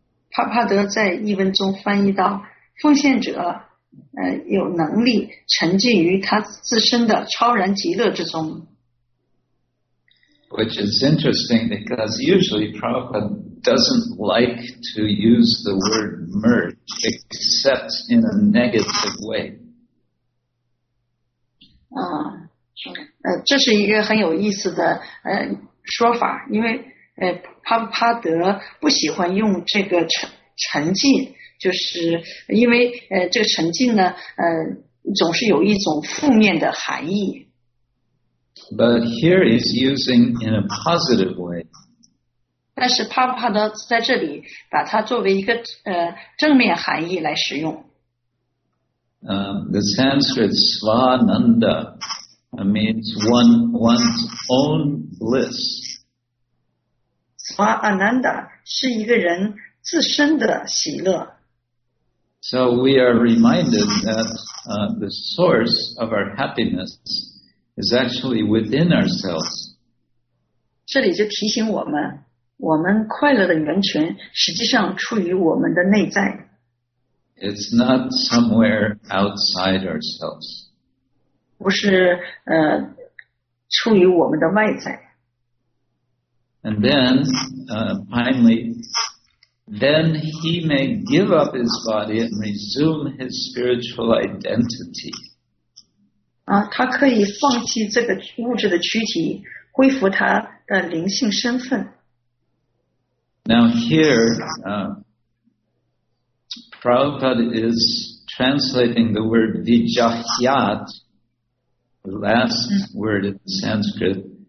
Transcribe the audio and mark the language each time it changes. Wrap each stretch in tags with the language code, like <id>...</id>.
<zh>帕帕德在译文中翻译到，奉献者有能力沉浸于他自身的超然极乐之中。</zh> <en>Which is interesting because usually Prabhupada doesn't like to use the word merge except in a negative way.</en> <zh>这是一个很有意思的说法，因为帕帕德不喜欢用这个沉浸就是因为这个沉浸呢总是有一种负面的含义。</zh> <en>But here is using in a positive way.</en> <zh>但是帕帕德在这里把它作为一个正面含义来使用。</zh> <en>The Sanskrit svananda means one's own bliss.</en> <zh>Svananda 是一个人自身的喜乐。</zh> <en>So we are reminded that the source of our happiness is actually within ourselves.</en> <zh>这里就提醒我们，我们快乐的源泉实际上出于我们的内在。</zh> <en>It's not somewhere outside ourselves.</en> <zh>不是出于我们的外在。</zh> <en>And then, finally, then he may give up his body and resume his spiritual identity.</en> <zh>他可以放弃这个物质的躯体，恢复他的灵性身份。</zh> <en>Now here, Prabhupada is translating the word vijahyat, the last word in Sanskrit.</en>